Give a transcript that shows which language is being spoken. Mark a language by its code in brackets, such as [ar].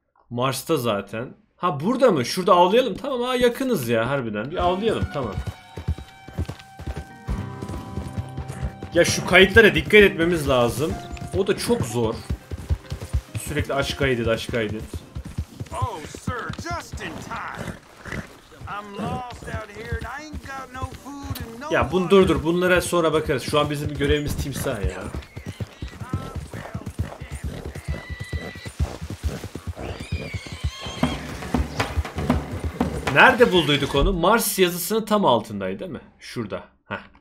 [tr] Mars'ta zaten. Ha burada mı? Şurada avlayalım. Tamam, ha yakınız ya harbiden. Bir avlayalım, tamam. Ya şu kayıtlara dikkat etmemiz lazım. O da çok zor. Sürekli aç kaydet, aç kaydet. [en] Oh sir, just in time. I'm lost out here and I ain't got no food and no. [tr] Ya bunu dur. Bunlara sonra bakarız. Şu an bizim görevimiz timsah ya. Nerede bulduyduk onu? Mars yazısının tam altındaydı değil mi? Şurada. Heh.